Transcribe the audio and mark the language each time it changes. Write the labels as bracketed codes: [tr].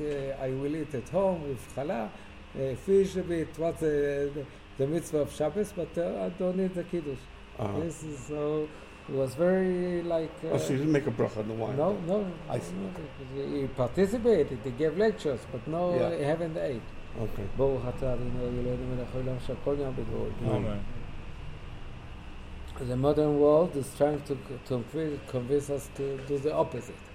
[en] I will eat at home with challah, fish a bit. What the mitzvah of Shabbos, but I don't need the kiddush. Uh-huh. Yes, so it was very like. So you didn't make a bracha on the wine. No. I see. He participated. He gave lectures, but no, he haven't ate. [he] ברוך אתה אדוני אלוהינו מלך העולם שהכל נהיה בדברו. [en] The modern world is trying to convince us to do the opposite.